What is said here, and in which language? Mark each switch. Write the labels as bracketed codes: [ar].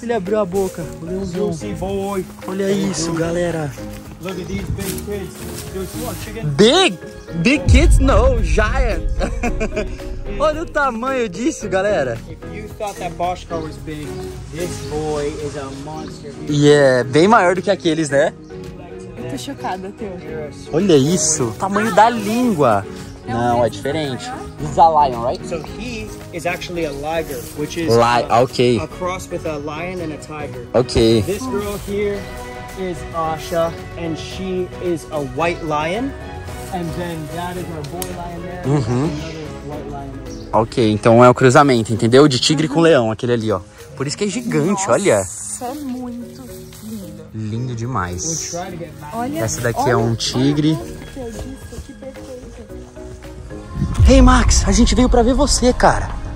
[pt] Ele abriu a boca. O leãozão. [en] Boy. [pt] Olha isso, galera. [en] Look at these big kids. Dude, big? Big kids? No, giant. [pt] Olha o tamanho disso, galera. [en] If you thought that Bosch car was big, this boy is a monster. [pt] E yeah, é bem maior do que aqueles, né? Eu tô chocada, Teo. Olha isso, tamanho da língua. Não, é diferente. [en] This is a lion, right? So he is actually a liger, which is okay. A cross with a lion and a tiger. Okay. This girl here is Asha, and she is a white lion, and then that is our boy lion there, uh-huh. Another white lion there. [pt] Ok, então é o cruzamento, entendeu? De tigre uh-huh. com leão, aquele ali, ó. Por isso que é gigante, nossa, olha. Nossa, é muito lindo. Lindo demais. Olha, essa daqui olha, é um tigre. Olha, hey, Max, a gente veio pra ver você, cara.